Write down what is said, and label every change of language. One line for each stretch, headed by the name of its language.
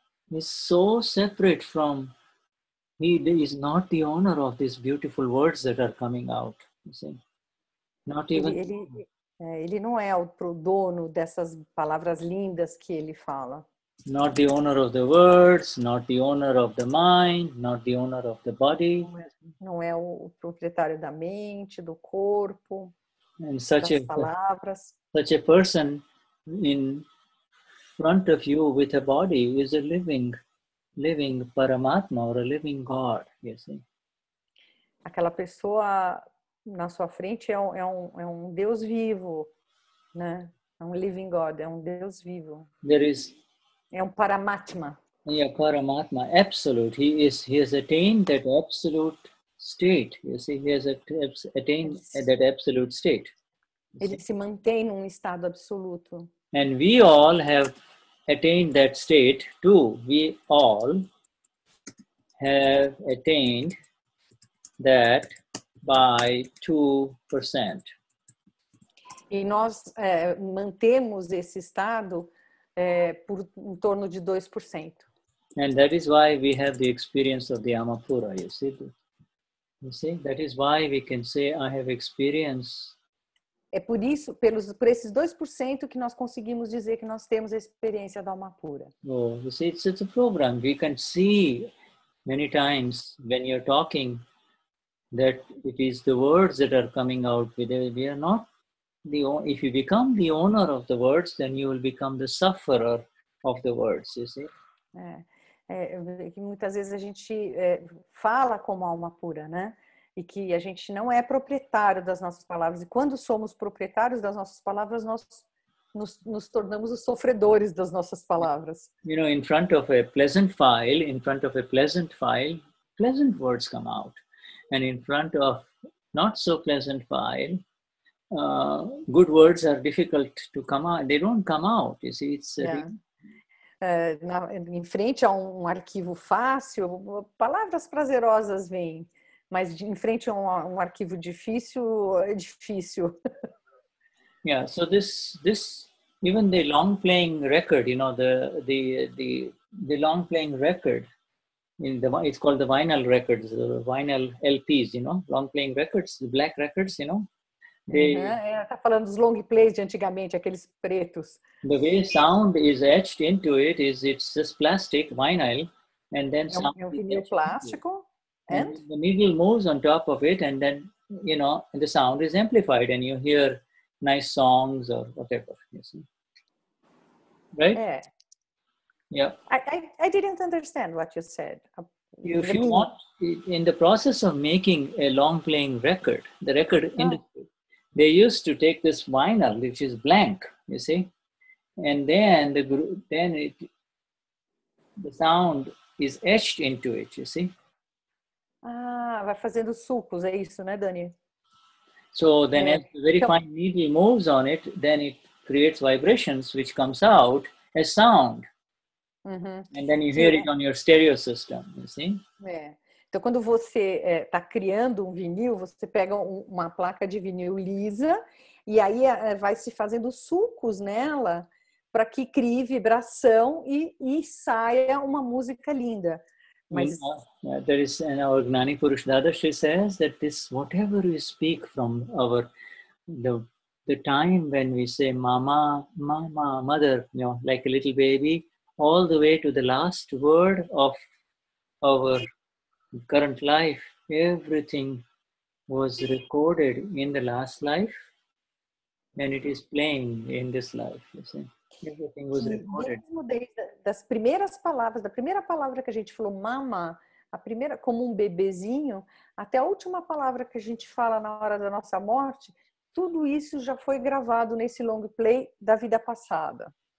English: He's so separate from, he is not the owner of these beautiful words that are coming out. You see? Not even.
Portuguese: Ele não é o dono dessas palavras lindas que ele fala.
English: Not the owner of the words, not the owner of the mind, not the owner of the body.
Portuguese: Não é o proprietário da mente, do corpo,
English: and such
Portuguese: das a, palavras.
English: Such a person in front of you with a body is a living Paramatma or a living God, you see.
Portuguese: Aquela pessoa na sua frente é um Deus vivo, né? É um
English: living God,
Portuguese: é um Deus vivo.
English: There is.
Portuguese: É um Paramatma.
English: Yeah, Paramatma, absolute. He has attained that absolute state. You see, he has attained that absolute state.
Portuguese: Ele se mantém num estado absoluto.
English: And we all have attained that state too. We all have attained that by 2%.
Portuguese: E nós mantemos esse estado por em torno de 2%.
English: And that is why we have the experience of the Amapura, you see? You see? That is why we can say, I have experience.
Portuguese: É por isso, por esses 2% que nós conseguimos dizer que nós temos a experiência da alma pura.
English: Oh, you see, it's a program. We can see many times when you're talking that it is the words that are coming out. We are not the, if you become the owner of the words, then you will become the sufferer of the words, you see.
Portuguese: Que muitas vezes a gente fala como alma pura, né? E que a gente não é proprietário das nossas palavras. E quando somos proprietários das nossas palavras, nós nos tornamos os sofredores das nossas palavras.
English: You know, in front of a pleasant file, in front of a pleasant file, pleasant words come out. And in front of not so pleasant file, good words are difficult to come out. They don't come out, you see. It's
Portuguese: Em frente a um arquivo fácil, palavras prazerosas vêm. Mas em frente a um arquivo difícil, é difícil.
English: Yeah, so this even the long playing record, you know, the long playing record, in the, it's called the vinyl records, the vinyl LPs, you know, long playing records, the black records, you know.
Portuguese: Tá falando dos long plays de antigamente, aqueles pretos.
English: The way sound is etched into it is it's just plastic, vinyl, and then sound.
Portuguese: É um vinil plástico. And
English: the needle moves on top of it, and then, you know, the sound is amplified, and you hear nice songs or whatever, you see. Right? I didn't understand what you said. If you want, in the process of making a long playing record, the record industry, they used to take this vinyl, which is blank, you see, and then the sound is etched into it, you see.
Portuguese: Ah, vai fazendo sulcos, é isso, né, Dani?
English: So then as the very fine needle moves on it, then it creates vibrations which comes out as sound. Uh-huh. And then you hear it on your stereo system, you see?
Portuguese: Então quando você está criando um vinil, você pega uma placa de vinil lisa e aí vai se fazendo sulcos nela para que crie vibração e saia uma música linda.
English: There is an our Gnani Purush Dada, she says that this whatever we speak from our the time when we say mama mother, you know, like a little baby, all the way to the last word of our current life, everything was recorded in the last life and it is playing in this life, you see.
Portuguese: Mesmo das primeiras palavras, da primeira palavra que a gente falou, mama, a primeira, como um bebezinho, até a última palavra que a gente fala na hora da nossa morte, tudo isso já foi gravado nesse long play da vida passada.